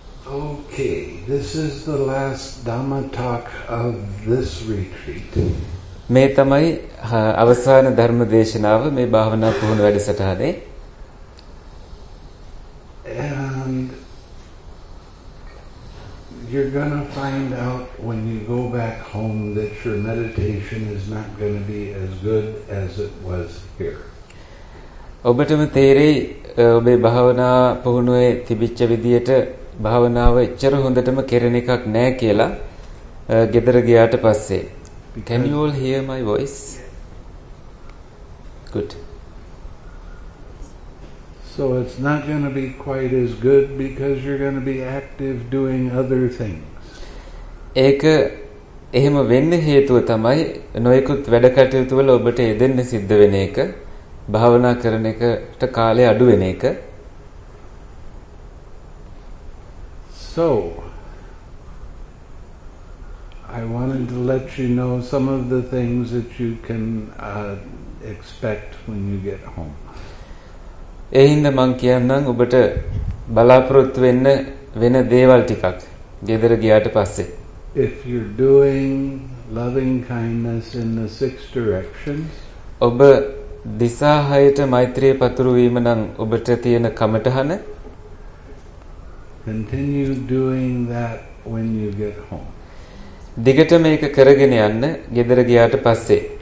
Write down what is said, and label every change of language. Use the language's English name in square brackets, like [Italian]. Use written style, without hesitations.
[English] Okay, this is the last Dhamma talk of this retreat. [Sinhala] මේ තමයි අවසාන ධර්ම දේශනාව මේ භාවනා පුහුණු වැඩසටහනේ. [English] And you're going to find out when you go back home that your meditation is not going to be as good as it was here. [Sinhala] ඔබටම තේරෙයි ඔබේ භාවනා පුහුණුවේ තිබිච්ච විදියට භාවනාව එච්චර හොඳටම කෙරෙන එකක් නැහැ කියලා ගෙදර ගියාට පස්සේ. [English] Can you all hear my voice? Good. So it's not going to be quite as good because you're going to be active doing other things. [Sinhala] ඒක එහෙම වෙන්න හේතුව තමයි නොයෙකුත් වැඩ කටයුතු වල ඔබට යෙදෙන්න සිද්ධ වෙන එක, භාවනා කරන එකට කාලය අඩු වෙන එක. [English] So I wanted to let you know some of the things that you can expect when you get home. [Sinhala] එහෙනම් මං කියන්නම් ඔබට බලාපොරොත්තු වෙන්න වෙන දේවල් ටිකක් ගෙදර ගියාට පස්සේ. [English] If you're doing loving kindness in the six directions, [Sinhala] ඔබ දිසා හයට මෛත්‍රිය පතුරු වීම නම් ඔබට තියෙන කමටහන. [English] Continue doing that when you get home. [Sinhala] දිගට මේක කරගෙන යන්න ගෙදර ගියාට පස්සේ.